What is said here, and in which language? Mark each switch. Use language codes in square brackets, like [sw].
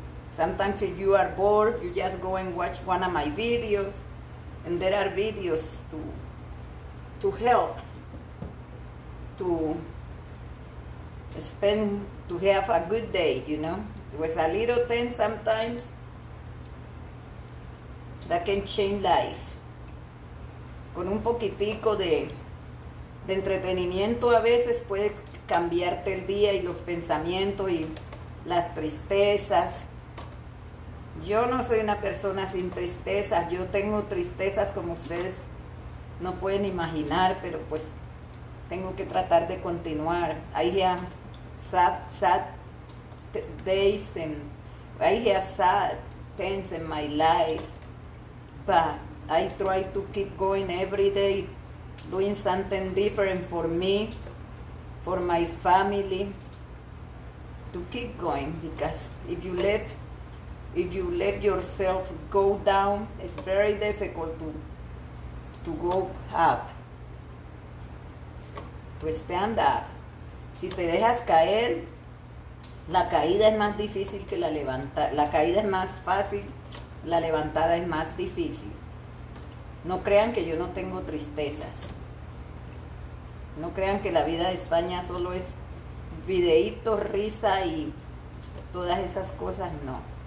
[en] Sometimes if you are bored, you just go and watch one of my videos, and there are videos to help, to spend, to have a good day, you know? It was a little thing sometimes that can change life. [es] Con un poquitico de entretenimiento a veces puedes cambiarte el día y los pensamientos y las tristezas. Yo no soy una persona sin tristezas. Yo tengo tristezas como ustedes no pueden imaginar, pero pues tengo que tratar de continuar. Ahí ya. [en] Sad days and I have sad things in my life, but I try to keep going every day, doing something different for me, for my family, to keep going, because if you let yourself go down, it's very difficult to go up, to stand up. [es] Si te dejas caer, la caída es más difícil que la levantada. La caída es más fácil, la levantada es más difícil. No crean que yo no tengo tristezas. No crean que la vida de España solo es videíto, risa y todas esas cosas. No.